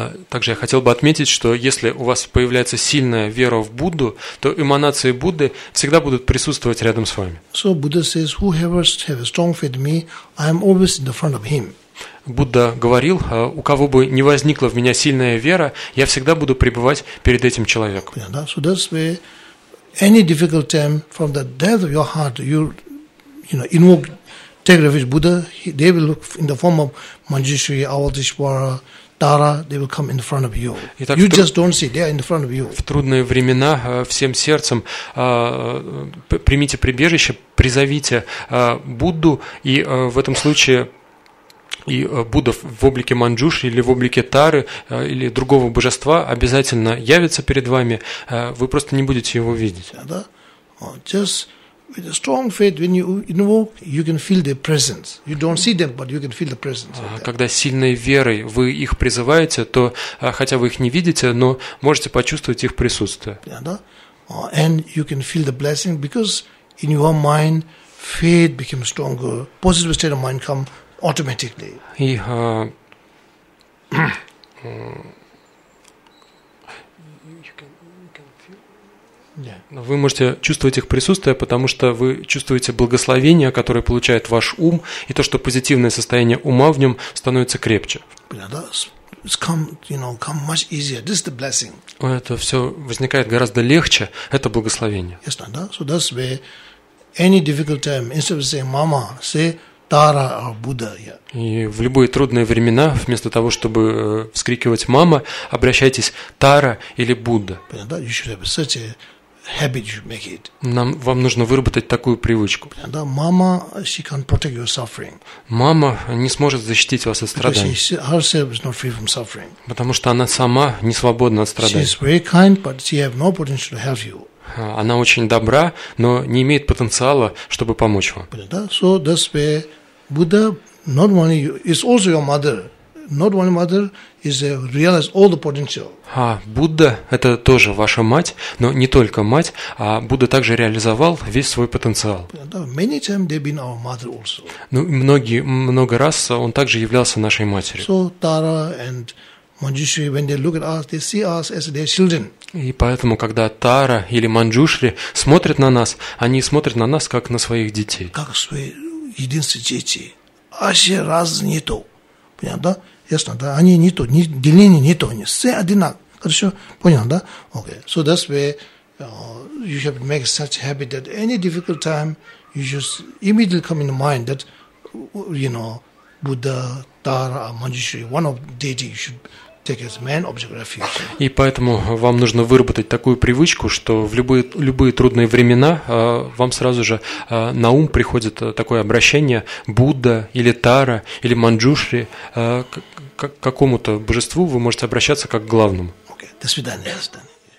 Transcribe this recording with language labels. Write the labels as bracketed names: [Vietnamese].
[Russian] Также я хотел бы отметить, что если у вас появляется сильная вера в Будду, то эманации Будды всегда будут присутствовать рядом с вами. [English] So Buddha says, whoever has a strong faith in me, I am always in the front of him. [Russian] Будда говорил, у кого бы не возникла в меня сильная вера, я всегда буду пребывать перед этим человеком. [English] Yeah, so that's where any difficult time from the depth of your heart, you invoke, take refuge Buddha, they will look in the form of Manjushri, Avalokiteshvara, Tara, they will come in front of you. Итак, you just don't see, they are in front of you. [Russian] В трудные времена всем сердцем примите прибежище, призовите Будду, и в этом случае и Будда в облике Манджуши или в облике Тары или другого божества обязательно явится перед вами, вы просто не будете его видеть. Да? [English] Just with a strong faith, when you invoke, you can feel their presence. You don't see them, but you can feel the presence. [Russian] Когда сильной верой вы их призываете, то хотя вы их не видите, но можете почувствовать их присутствие. Да? [English] And you can feel the blessing because in your mind faith became stronger, positive state of mind come automatically. И yeah. [Russian] Вы можете чувствовать их присутствие, потому что вы чувствуете благословение, которое получает ваш ум, и то, что позитивное состояние ума в нем становится крепче. [English] It's come, you know, come much easier. This is the blessing. [Russian] Это все возникает гораздо легче. Это благословение. Yes, no, да? [English] So that's where any difficult time, instead of saying "Mama", say "Tara" or "Buddha". Yeah. [Russian] И в любые трудные времена, вместо того чтобы вскрикивать "Мама", обращайтесь "Тара" или "Будда". Понятно? Да? [English] You should have such a habit you make it. [Russian] Нам вам нужно выработать такую привычку. Понятно? Да? [English] Mama, she can't protect your suffering. [Russian] Мама не сможет защитить вас от страданий. [English] Because she herself is not free from suffering. [Russian] Потому что она сама не свободна от страданий. [English] She is very kind, but she has no potential to help you. [Russian] Она очень добра, но не имеет потенциала, чтобы помочь вам. Понятно? Да? [English] So that's where Buddha not only you, is also your mother. Not only mother is a realize all the potential. [Russian] А Будда это тоже ваша мать, но не только мать, а Будда также реализовал весь свой потенциал. [English] Many times they've been our mother also. [Russian] Ну многие много раз он также являлся нашей матерью. [English] So Tara and Manjushri, when they look at us, they see us as their children. [Russian] И поэтому, когда Тара или Манджушри смотрят на нас, они смотрят на нас как на своих детей. Как свои единственные дети. Вообще раз не то. Понятно, да? Ясно, да? Они не то, деление не то, они все одинаковые. Хорошо? Понятно, да? Okay. [English] So that's where you have to make such a habit that any difficult time, you just immediately come in mind that, you know, Buddha, Tara, Manjushri, one of the deity you should take as main object refuge. [Russian] И поэтому вам нужно выработать такую привычку, что в любые трудные времена вам сразу же на ум приходит такое обращение Будда или Тара или Манджушри, к какому-то божеству вы можете обращаться как к главному. Okay. До свидания. До свидания.